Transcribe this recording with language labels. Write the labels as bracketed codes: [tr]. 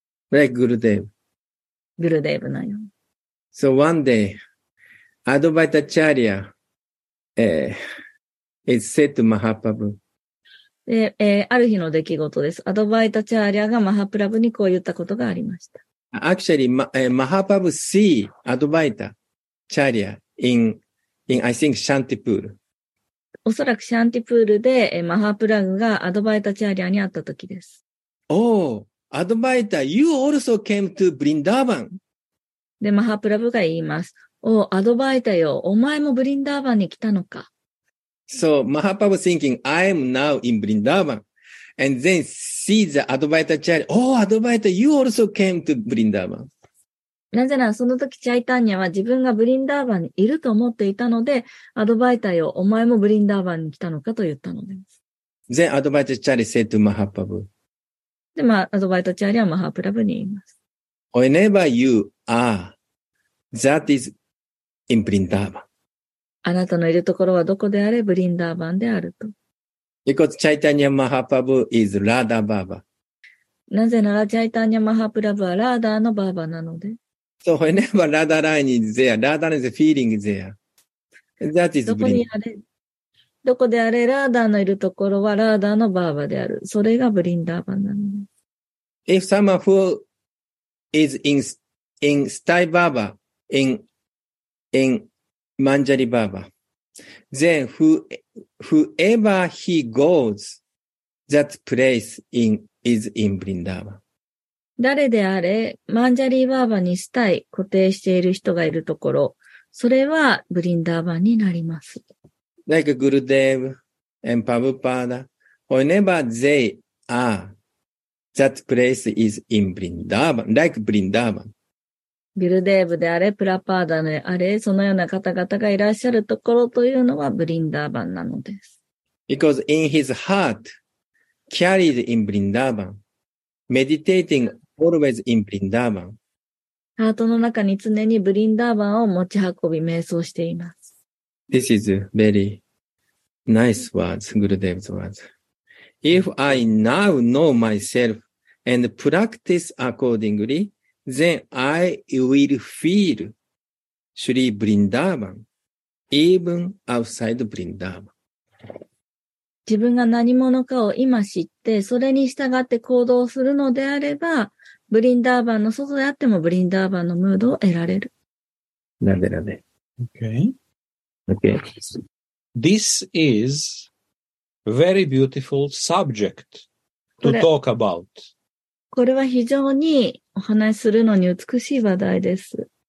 [en] Like Gurudev. [ja] Gurudev のように。 [en] So one day,アドバイタチャリア、is said to Mahaprabhu. [ja] ある日の出来事です。アドバイタチャリアがマハプラブにこう言ったことがありました。 [en] Actually, Mahaprabhu see Advaita Charya in I think Shantipur. [ja] おそらくシャンティプールで、マハプラブがアドバイタチャリアに会った時です。 [en] Oh, Advaita, you also came to Vrindavan. [ja] で、マハプラブが言います。おう、アドバイタよ。お前もブリンダーバンに来たのか。 [en] So, Mahaprabhu thinking, I'm now in Vrindavan. And then see the Advaita Charya. Oh, Advaita, you also came to Vrindavan. [ja] なぜなら、その時、チャイタンニャは自分がブリンダーバンにいると思っていたので、アドバイタよ。お前もブリンダーバンに来たのかと言ったのです。 [en] Then Advaita Charya said to Mahaprabhu. [ja] で、まあ、アドバイタチャリはマハプラブに言います。 [en] Whenever you are,That is in Vrindavan. [ja] あなたのいるところはどこであれ、ブリンダーバンであると。 [en] Because Chaitanya Mahaprabhu is Radha Baba. [ja] なぜなら、Chaitanya Mahaprabhu はラーダーのバーバなので。 [en] So whenever Radha Rani is there, Radha is feeling there. That is Vrindavan. [ja] どこであれ、ラーダーのいるところはラーダーのバーバである。それがブリンダーバンなので。 [en] If someone who is in Sthayi Bhava,In Manjari Baba. Then whoever he goes, that place is in Vrindavan. [ja] 誰であれ、Manjari Baba にしたい、固定している人がいるところ、それはブリンダーバンになります。 [en] Like Gurudev and Prabhupada, whenever they are, that place is in Vrindavan, like Vrindavan. [ja] ビルデーブであれ、プラパーダであれ、そのような方々がいらっしゃるところというのはブリンダーバンなのです。 [en] Because in his heart, carried in Vrindavan, meditating always in Vrindavan. [ja] ハートの中に常にブリンダーバンを持ち運び瞑想しています。 [en] This is very nice words, Gurudev's words. If I now know myself and practice accordingly,Then I will feel Sri Vrindavan, even outside Vrindavan. [ja] 自分が何者かを今知って、それに従って行動するのであれば、ブリンダーバンの外であってもブリンダーバンのムードを得られる。なぜなぜ。 [en] Okay. Okay. This is very beautiful subject to talk about. [ja] これは非常にお話しするのに美しい話題です。